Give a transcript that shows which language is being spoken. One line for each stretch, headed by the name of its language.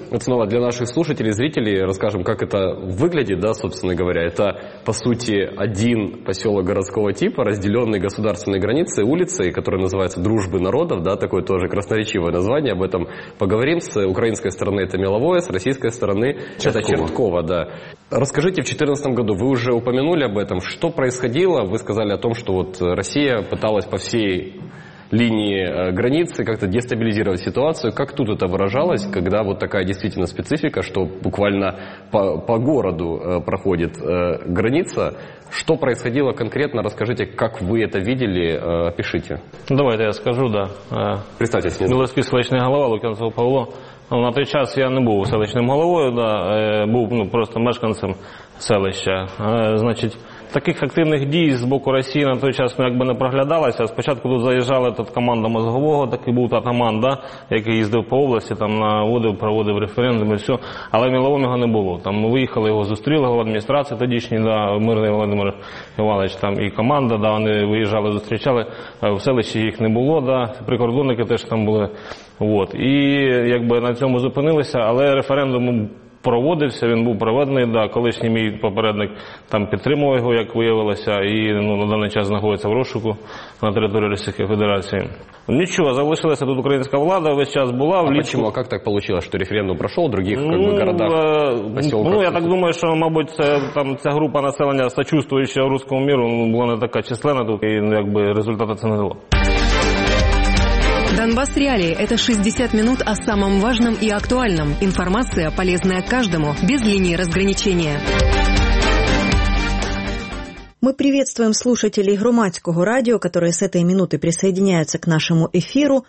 Ukrainian: От знову для наших слушателей, зрителей, розкажемо, як це виглядить, да,
Russian: собственно говоря.
Ukrainian: Це, по суті, один поселок городського типу, розділений державною границею, вулицею, яка називається «Дружби народів», да, таке теж красноречиве названня,
Russian: об этом поговорим.
Ukrainian: З української сторони – це Меловое, з російської сторони – це Чертково.
Russian: Да. Расскажите, в 2014 году вы уже упомянули об этом, что происходило, вы сказали о том, что вот Россия пыталась по всей линии границы как-то дестабилизировать ситуацию, как тут это выражалось, когда вот такая действительно специфика, что буквально по городу проходит граница, что происходило конкретно, расскажите, как вы это видели, пишите. Давайте я скажу, да. Представьтесь.
Ukrainian: Миловський селищний голова Лук'янцев Павло. На той час я не був селищним головою, да, був просто мешканцем селища. Значить, таких активних дій з боку Росії на той час якби не проглядалося. Спочатку тут заїжджали тут команда мозгового, такий був атаман, да, який їздив по області, там наводив, проводив референдум і все. Але Мілового не було. Там виїхали, його зустріли, голова адміністрації тодішній, да, Мирний Володимир Іванович, там і команда, да, вони виїжджали, зустрічали. В селищі їх не було, да, прикордонники теж там були. От. І якби на цьому зупинилися, але референдум проводився, він був проведений, да, колишній мій попередник там підтримував його, як виявилося, і на даний час знаходиться в розшуку на території Російської Федерації. Нічого, залишилася тут українська влада, весь час була. А чому, а як так вийшло, що референдум пройшов в других городах, поселках? Я так думаю, що, мабуть, ця група населення, сочувствуюча руському міру, була не така численна тут, і якби результату це не дало.
Russian: Донбас Реалії – это 60 минут о самом важном и актуальном. Информация, полезная каждому, без линии разграничения. Мы приветствуем слушателей Громадского радио, которые с этой минуты присоединяются к нашему эфиру.